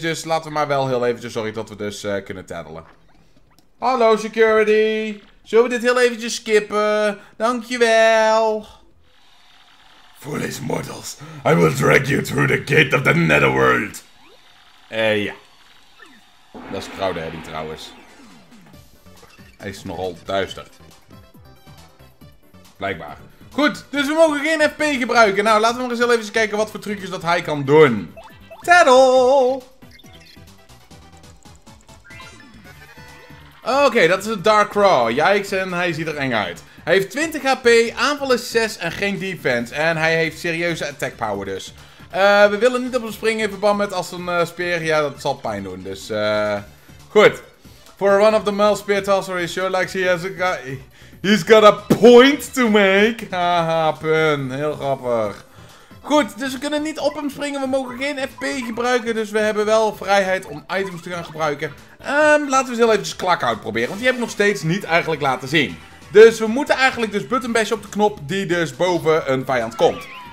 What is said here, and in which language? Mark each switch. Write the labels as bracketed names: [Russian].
[Dutch] Dus laten we maar wel heel eventjes sorry dat we dus kunnen tattelen. Hallo security. Zullen we dit heel eventjes skippen? Dankjewel. [English] Foolish mortals. I will drag you through the gate of the netherworld. [Dutch] Ja. Dat is Crawdaddy trouwens. Hij is nogal duister. Blijkbaar. Goed, dus we mogen geen FP gebruiken. Nou, laten we maar eens even kijken wat voor trucjes dat hij kan doen. [English] Tattle! [Dutch] Oké, dat is een Darkrai. Yikes, en hij ziet er eng uit. Hij heeft 20 HP, aanval is 6 en geen defense. En hij heeft serieuze attack power dus. We willen niet op hem springen in verband met als een speer. Ja, dat zal pijn doen. Dus, goed. [English] For one of the male spear tosser, he sure likes he has a guy. He's got a point to make. Haha, pun. [Dutch] Heel grappig. Goed, dus we kunnen niet op hem springen. We mogen geen FP gebruiken. Dus we hebben wel vrijheid om items te gaan gebruiken. Laten we eens heel even Klakhout proberen. Want die heb ik nog steeds niet eigenlijk laten zien. Dus we moeten eigenlijk dus button bashen op de knop die dus boven een vijand komt.